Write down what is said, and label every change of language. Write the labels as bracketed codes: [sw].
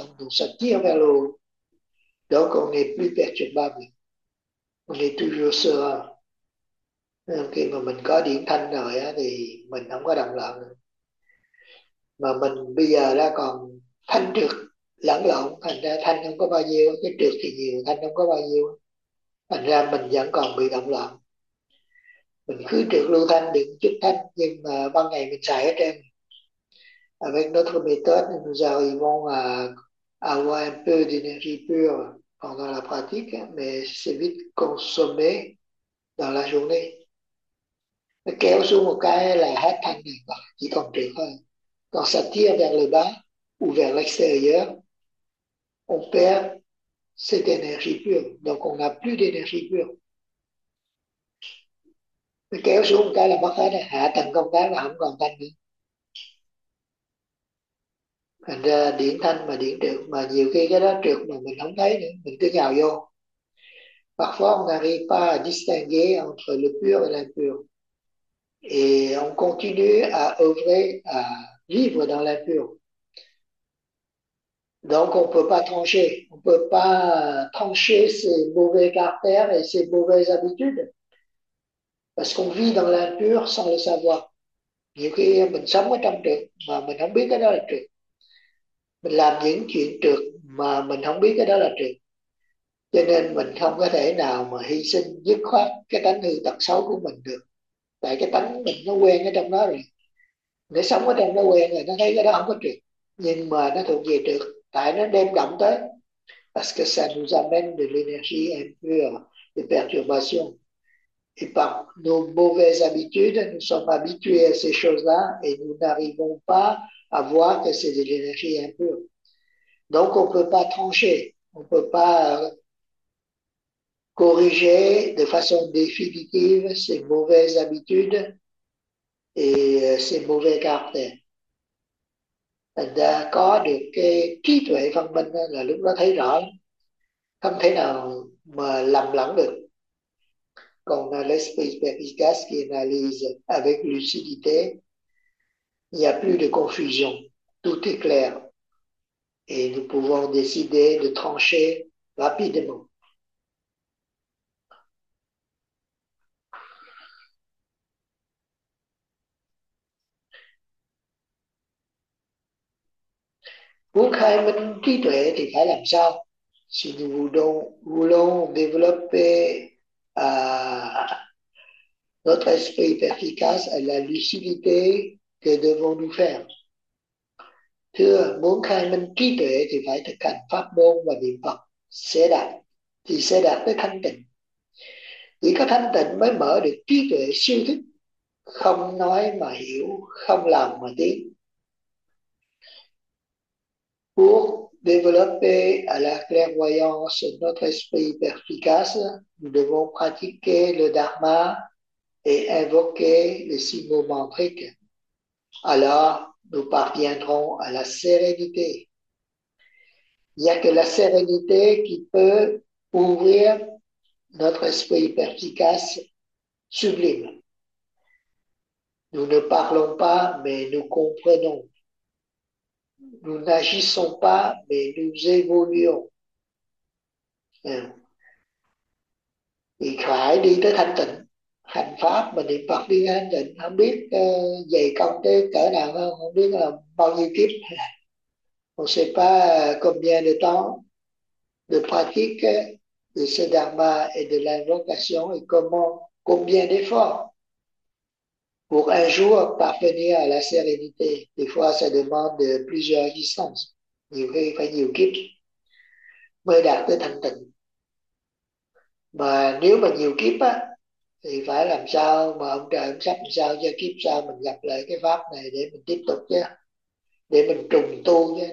[fr] Donc ça tire vers le haut. Donc on n'est plus perturbable. On est toujours serein. [vi] Khi mà mình có điển thanh rồi á, thì mình không có động loạn. Mà mình bây giờ đã còn thanh trược lẫn lộn, thành ra thanh không có bao nhiêu, cái trược thì nhiều, thanh không có bao nhiêu. Thành ra mình vẫn còn bị động loạn. Mình cứ trượt lưu thanh điện chút thanh, nhưng mà ban ngày mình xài hết em. [fr] Avec notre méthode, nous arrivons à avoir un peu d'énergie pure pendant la pratique, mais c'est vite consommé dans la journée. [vi] Nó kéo xuống một cái là hết thanh này, chỉ còn trượt thôi. [fr] Còn ça tire vers le bas ou vers l'extérieur, on perd cette énergie pure. Donc on n'a plus d'énergie pure. [vi] kéo xuống cái là mất hết rồi, hạ tầng công tác là không còn thanh nữa. Thành ra điển thanh mà điển trượt, mà nhiều khi cái đó trượt mà mình không thấy nữa, mình cứ nhào vô. [fr] Parfois on n'arrive pas à distinguer entre le pur et l'impur. Et on continue à œuvrer, à vivre dans l'impur. Donc on ne peut pas trancher. On ne peut pas trancher ses mauvais caractères et ses mauvaises habitudes. Parce qu'on vit dans l'impur sans le savoir. [vi] Nhiều khi mình sống ở trong trượt mà mình không biết cái đó là trượt. Mình làm những chuyện trượt mà mình không biết cái đó là trượt. Cho nên mình không có thể nào mà hy sinh dứt khoát cái tánh hư tật xấu của mình được. Tại cái tánh mình nó quen ở trong đó rồi. Nó sống ở trong nó quen rồi, nó thấy cái đó không có trượt. Nhưng mà nó thuộc về trượt, tại nó đem động tới. [fr] Parce que ça nous amène de l'énergie impure, de perturbation. Et par nos mauvaises habitudes, nous sommes habitués à ces choses-là et nous n'arrivons pas à voir que c'est de l'énergie impure. Donc on ne peut pas trancher, on ne peut pas corriger de façon définitive ces mauvaises habitudes et ces mauvais caractères. [vi] Là có được cái trí tuệ phân minh là lúc đó thấy rõ, không thể nào mà lầm lẫn được. [fr] Còn l'esprit perspicace qui analyse avec lucidité, il n'y a plus de confusion, tout est clair et nous pouvons décider de trancher rapidement. [vi] Muốn khai minh trí tuệ thì phải làm sao? [fr] Si nous voulons développer notre esprit perspicace à la lucidité, que devons-nous faire? [vi] Thưa, muốn khai minh trí tuệ thì phải thực hành pháp môn và niệm Phật sẽ đạt, thì sẽ đạt tới thanh tịnh. Chỉ có thanh tịnh mới mở được trí tuệ siêu thích, không nói mà hiểu, không làm mà tiến. [fr] Pour développer à la clairvoyance notre esprit perspicace, nous devons pratiquer le dharma et invoquer les six mots mantriques. Alors, nous parviendrons à la sérénité. Il n'y a que la sérénité qui peut ouvrir notre esprit perspicace sublime. Nous ne parlons pas, mais nous comprenons. Nous n'agissons pas, mais nous évoluons. [vi] Thì phải đi tới thanh tịnh, hành pháp mà niệm Phật đi thanh tịnh, không biết dày công tới cỡ nào không, không biết là bao nhiêu kiếp. [fr] On sait pas combien de temps de pratique de ce dharma et de l'invocation et comment, combien d'efforts pour un jour parvenir à la sérénité. Des fois, ça demande de plusieurs existences, [vi] nhiều khi phải nhiều kiếp mới đạt tới thanh tịnh. Mà nếu mà nhiều kiếp á, thì phải làm sao mà ông trời ông sắp làm sao cho kiếp sau mình gặp lại cái pháp này để mình tiếp tục chứ, để mình trùng tu chứ.